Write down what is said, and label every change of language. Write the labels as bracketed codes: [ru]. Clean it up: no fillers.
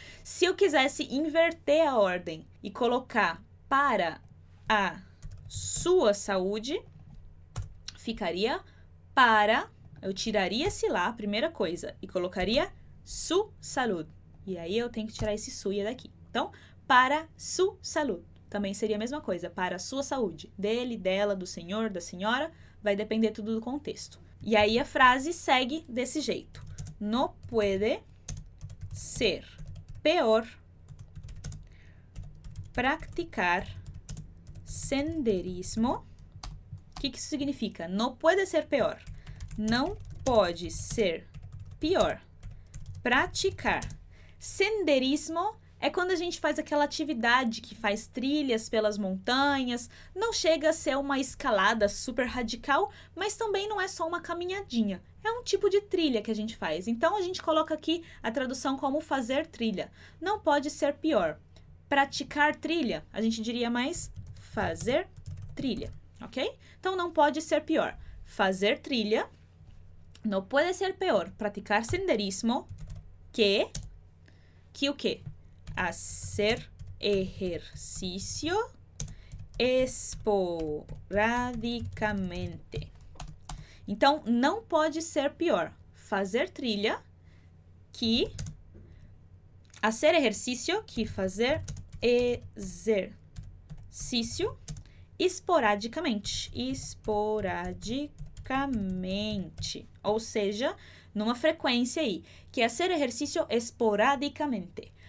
[pt] Se eu quisesse inverter a ordem e colocar para a sua saúde, ficaria para, eu tiraria esse lá, primeira coisa, e colocaria [es] su salud. [pt] E aí eu tenho que tirar esse suia daqui. Então, para [es] su salud. [pt] Também seria a mesma coisa, para a sua saúde. Dele, dela, do senhor, da senhora, vai depender tudo do contexto. E aí a frase segue desse jeito. [es] No puede ser peor practicar senderismo. [pt] O que isso significa? [es] No puede ser peor. [pt] Não pode ser pior praticar senderismo. É quando a gente faz aquela atividade que faz trilhas pelas montanhas. Não chega a ser uma escalada super radical, mas também não é só uma caminhadinha. É um tipo de trilha que a gente faz. Então, a gente coloca aqui a tradução como fazer trilha. Não pode ser pior. Praticar trilha, a gente diria mais fazer trilha, ok? Então, não pode ser pior. Fazer trilha. [es] No puede ser peor. [pt] Praticar senderismo. Que o quê? [es] Hacer ejercicio esporadicamente. [pt] Então, não pode ser pior fazer trilha [es] que hacer ejercicio, [pt] que fazer exercício esporadicamente. Esporadicamente. Ou seja, numa frequência aí, que é [es] hacer ejercicio esporadicamente.